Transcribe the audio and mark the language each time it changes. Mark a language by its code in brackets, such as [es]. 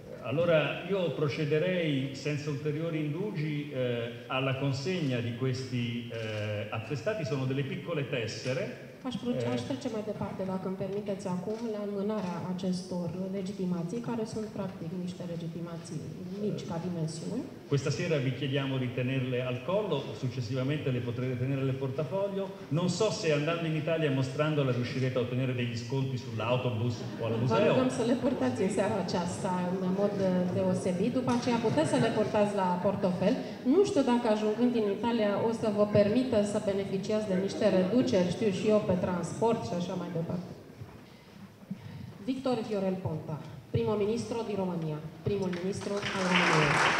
[it] Allora io procederei senza ulteriori indugi alla consegna di questi attestati, sono delle piccole tessere. [ro] Aș trece mai departe, dacă îmi permiteți acum, la înmânarea acestor legitimații, care sunt practic niște legitimații mici ca dimensiuni. [it] Questa sera vi chiediamo di tenerle al collo, successivamente le potrete tenere nel portafoglio. Non so se andando in Italia mostrandole riuscirete a ottenere degli sconti sull'autobus o al museo. [ro] Vă rugăm să le portați în seara aceasta în mod deosebit. După aceea puteți să le portați la portofel. Nu știu dacă ajungând în Italia o să vă permită să beneficiați de niște reduceri, știu și eu, pe transport și așa mai departe. Victor Viorel Ponta, primul ministru din România, primul ministru al României.